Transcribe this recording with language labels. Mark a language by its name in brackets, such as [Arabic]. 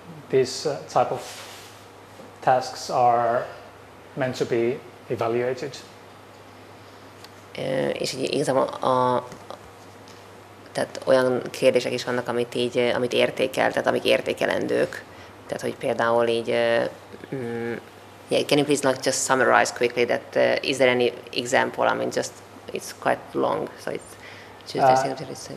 [English] These type of tasks are meant to be evaluated. [Hungarian] És így igazából tehát olyan kérdések is vannak, amit értékel, tehát amik értékelendők. Tehát, hogy például így, [English] can you please not just summarize quickly that, is there any example? I mean, just, it's quite long, so it's